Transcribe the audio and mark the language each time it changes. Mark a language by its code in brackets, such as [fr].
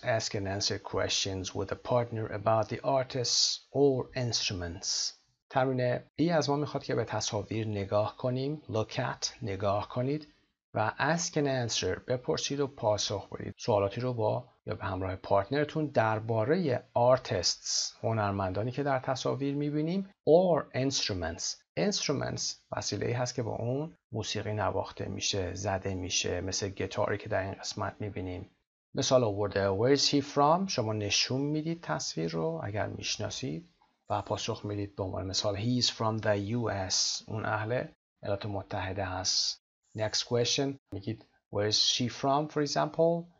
[en] Ask and answer questions with a partner about the artists or instruments. [fa] تمرین E از ما میخواد که به تصاویر نگاه کنیم. [en] Look at. [fa] نگاه کنید. و [en] ask and answer. [fa] بپرسید و پاسخ بدید. سوالاتی رو با یا به همراه پارتنرتون درباره artists. هنرمندانی که در تصاویر میبینیم. [en] Or instruments. [fa] Instruments وسیله‌ای هست که با اون موسیقی نواخته میشه، زده میشه، مثل گیتاری که در این قسمت میبینیم. مثال آورده: [en] Where is he from؟ [fa] شما نشون میدید تصویر رو اگر میشناسید و پاسخ میدید به عنوان مثال: [en] He is from the US. [fa] اون اهل ایالات متحده هست. [en] Next question [fa] میگید: [en] Where is she from, for example?